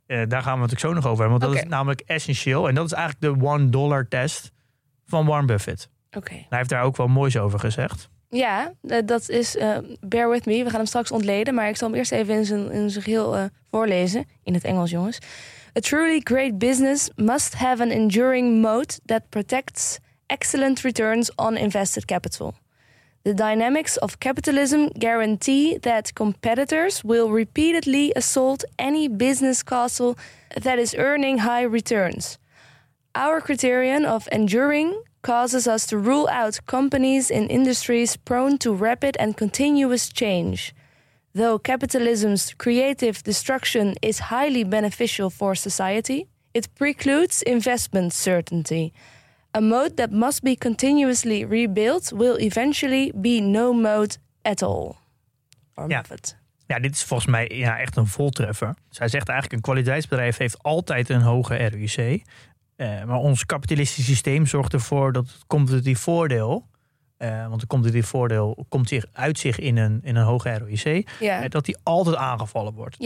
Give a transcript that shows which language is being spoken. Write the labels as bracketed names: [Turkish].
[Dutch] Daar gaan we het ook zo nog over hebben, want dat is namelijk essentieel. En dat is eigenlijk de $1 test van Warren Buffett. Okay. Hij heeft daar ook wel moois over gezegd. Ja, dat is, [English] bear with me, [Dutch] we gaan hem straks ontleden, maar ik zal hem eerst even in zijn geheel voorlezen, in het Engels jongens. [English] A truly great business must have an enduring moat that protects excellent returns on invested capital. The dynamics of capitalism guarantee that competitors will repeatedly assault any business castle that is earning high returns. Our criterion of enduring causes us to rule out companies in industries prone to rapid and continuous change. Though capitalism's creative destruction is highly beneficial for society, it precludes investment certainty. A mode that must be continuously rebuilt will eventually be no mode at all. [Dutch] Ja, dit is volgens mij echt een voltreffer. Zij zegt eigenlijk, een kwaliteitsbedrijf heeft altijd een hoge ROIC. Maar ons kapitalistische systeem zorgt ervoor dat het competitief voordeel, want het competitief voordeel komt zich uit zich in een hoge ROIC, dat die altijd aangevallen wordt.